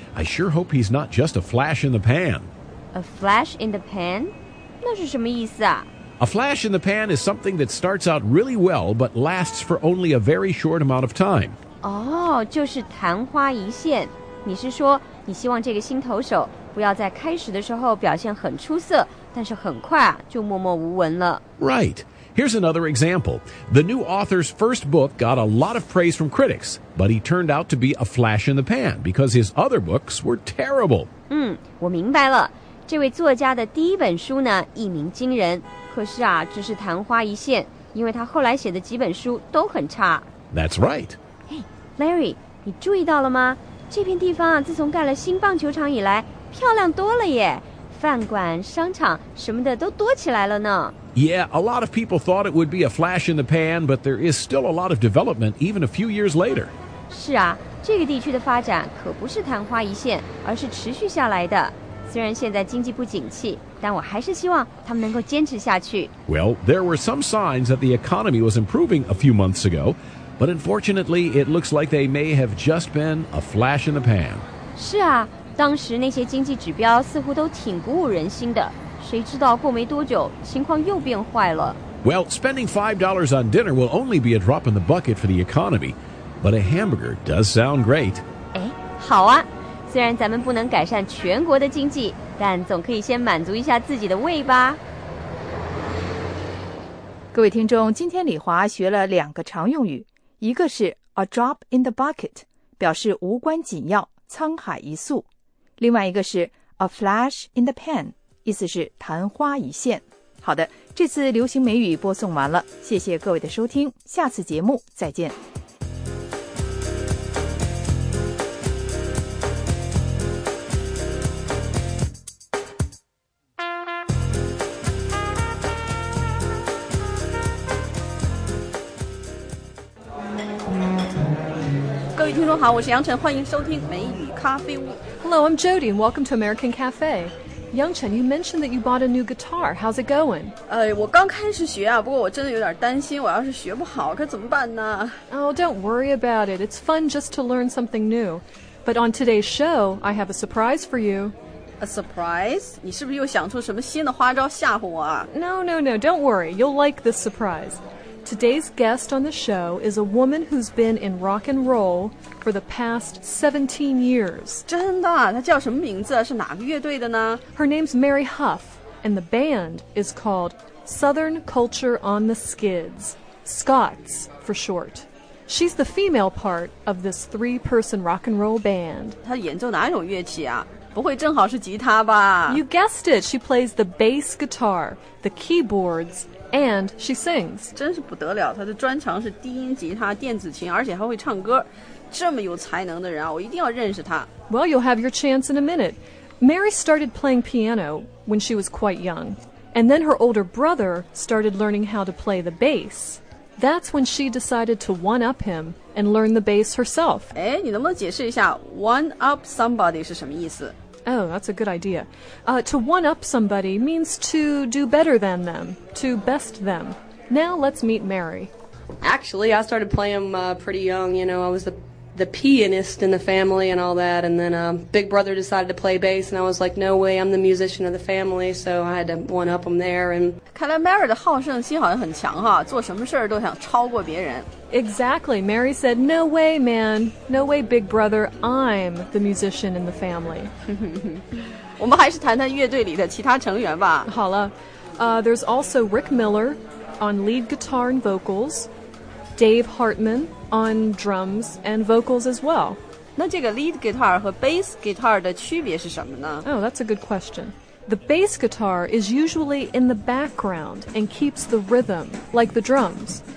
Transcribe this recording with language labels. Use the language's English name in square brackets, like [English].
[English] I sure hope he's not just a flash in the pan. [Chinese] A flash in the pan? 那是什么意思啊? [English] A flash in the pan is something that starts out really well, but lasts for only a very short amount of time. [Chinese] Oh, 就是昙花一现。你是说你希望这个新投手不要在开始的时候表现很出色，但是很快就默默无闻了。 [English] Right. Here's another example. The new author's first book got a lot of praise from critics, but he turned out to be a flash in the pan because his other books were terrible. [Chinese] 嗯，我明白了。这位作家的第一本书呢，一鸣惊人，可是啊，只是昙花一现，因为他后来写的几本书都很差。 [English] That's right. [Chinese] Hey, Larry, 你注意到了吗？这片地方啊，自从盖了新棒球场以来，漂亮多了耶，饭馆、商场什么的都多起来了呢。 [English] Yeah, a lot of people thought it would be a flash in the pan, but there is still a lot of development even a few years later. [Chinese] 是啊，这个地区的发展可不是昙花一现，而是持续下来的。虽然现在经济不景气，但我还是希望他们能够坚持下去。 [English] Well, there were some signs that the economy was improving a few months ago, but unfortunately, it looks like they may have just been a flash in the pan. [Chinese] 是啊，当时那些经济指标似乎都挺鼓舞人心的。谁知道过没多久，情况又变坏了。 [English] Well, spending $5 on dinner will only be a drop in the bucket for the economy, but a hamburger does sound great. [Chinese] 哎，好啊！虽然咱们不能改善全国的经济，但总可以先满足一下自己的胃吧。各位听众，今天李华学了两个常用语，一个是 a drop in the bucket， 表示无关紧要，沧海一粟；另外一个是 a flash in the pan。意思是昙花一现。好的，这次流行美语播送完了，谢谢各位的收听，下次节目再见。各位听众好，我是杨晨，欢迎收听美语咖啡屋。 [English] Hello, I'm Jody, and welcome to American Cafe. Yangchen, you mentioned that you bought a new guitar. How's it going? [Chinese] 我刚开始学啊，不过我真的有点担心，我要是学不好，可怎么办呢？ [English] Oh, don't worry about it. It's fun just to learn something new. But on today's show, I have a surprise for you. A surprise? [Chinese] 你是不是又想出什么新的花招吓唬我啊？ [English] No, no, no. Don't worry. You'll like this surprise. Today's guest on the show is a woman who's been in rock and roll for the past 17 years. [Chinese] 真的？她叫什么名字？是哪个乐队的呢？ [English] Her name's Mary Huff, and the band is called Southern Culture on the Skids, Scots for short. She's the female part of this three-person rock and roll band. [Chinese] 她演奏哪一种乐器啊？不会正好是吉他吧？ [English] You guessed it. She plays the bass guitar, the keyboards,And she sings. [Chinese] 真是不得了，她的专长是低音吉他、电子琴，而且还会唱歌。这么有才能的人啊，我一定要认识她。 [English] Well, you'll have your chance in a minute. Mary started playing piano when she was quite young. And then her older brother started learning how to play the bass. That's when she decided to one-up him and learn the bass herself. [Chinese] 哎，你能不能解释一下 one-up somebody 是什么意思？ [English] Oh, that's a good idea. To one-up somebody means to do better than them, to best them. Now let's meet Mary. Actually, I started playing pretty young. You know, I was the pianist in the family and all that. And then Big Brother decided to play bass, and I was like, no way, I'm the musician of the family. So I had to one-up him there. And [Chinese] 看来 Mary 的好胜心好像很强哈，做什么事都想超过别人。 [English] Exactly. Mary said, no way, man. No way, big brother. I'm the musician in the family. [Chinese] 我们还是谈谈乐队里的其他成员吧。好了。 [English] There's also Rick Miller on lead guitar and vocals. Dave Hartman on drums and vocals as well. [Chinese] 那这个 lead guitar 和 bass guitar 的区别是什么呢？ [English] Oh, that's a good question. The bass guitar is usually in the background and keeps the rhythm, like the drums.